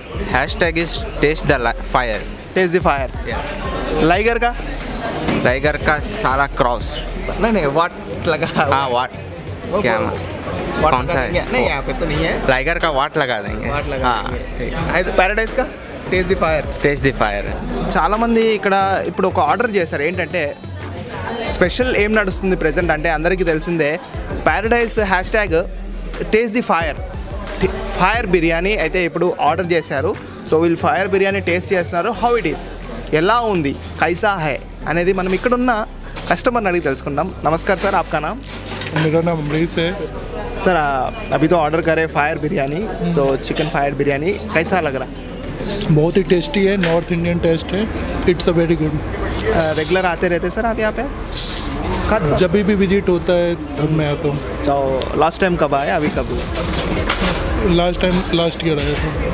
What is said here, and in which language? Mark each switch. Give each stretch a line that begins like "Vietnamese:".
English: Hashtag is taste the fire. Taste the fire. Liger का?
Hindi: Liger का सारा cross. नहीं नहीं, वाट लगा. हाँ, वाट क्या कौन सा है? नहीं यहाँ पे तो नहीं है. लाइगर का वाट लगा देंगे. वाट लगा. हाँ, पैराडाइज का
English: Taste the fire. Taste the fire.
Telugu: చాలామంది ఇక్కడ ఇప్పుడు ఒక ఆర్డర్ చేశారు. ఏంటంటే స్పెషల్ ఏం నడుస్తుంది ప్రజెంట్ అంటే అందరికీ తెలిసిందే, paradise hash tag taste the fire, fire biryani అయితే ఇప్పుడు ఆర్డర్ చేశారు. సో వీళ్ళు ఫైర్ బిర్యానీ టేస్ట్ చేస్తున్నారు.
English: how it is,
Telugu: ఎలా ఉంది,
Hindi: కైసా హై
Telugu: అనేది మనం ఇక్కడున్న కస్టమర్ని అడిగి తెలుసుకుందాం.
Hindi: నమస్కార్ సార్, ఆప్కా నా సార్, అభితో ఆర్డర్ కరే fire biryani. So chicken fire biryani కైసా లగరా? बहुत ही टेस्टी है, नॉर्थ इंडियन टेस्ट है,
English: It's a very good.
Hindi: Regular आते रहते सर आप यहाँ पे? जब भी विजिट होता है तब मैं आता हूँ. तो लास्ट टाइम कब आया? अभी कब? लास्ट टाइम लास्ट ईयर आया था.